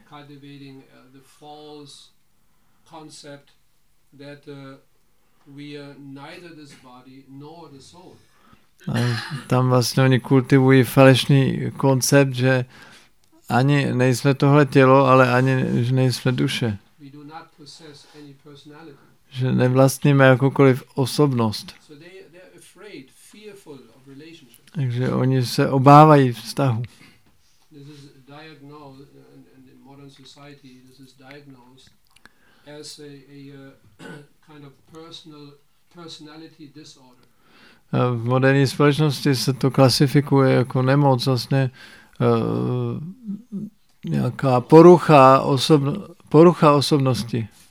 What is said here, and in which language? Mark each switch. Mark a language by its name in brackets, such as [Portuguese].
[English] Cultivating the false concept that we are neither this body nor the soul. [Czech] A tam vlastně oni kultivují falešný koncept, že ani nejsme tohle tělo, ale ani že nejsme duše. [English] We do not possess any personality. [Czech] Že nevlastníme jakoukoliv osobnost. [English] So they are afraid, fearful of relationships. [Czech] Takže oni se obávají vztahu. [English] This is diagnosed in the modern society, this is diagnosed as a kind of personality disorder. [Czech] V moderní společnosti se to klasifikuje jako nemoc, vlastně nějaká porucha osobnosti.